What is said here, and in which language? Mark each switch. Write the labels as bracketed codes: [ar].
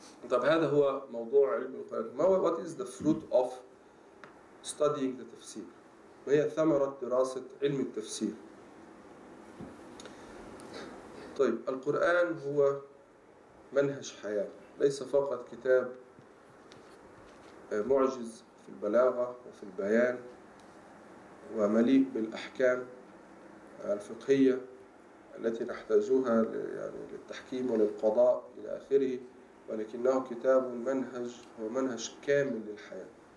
[ar] طب هذا هو موضوع علم القرآن. [en] What is the fruit of studying the tafsir? [ar] وهي ثمرة دراسة علم التفسير. طيب القرآن هو منهج حياة ليس فقط كتاب معجز في البلاغة وفي البيان ومليء بالأحكام الفقهية التي نحتاجها يعني للتحكيم وللقضاء إلى آخره ولكنه كتاب منهج هو منهج كامل للحياة.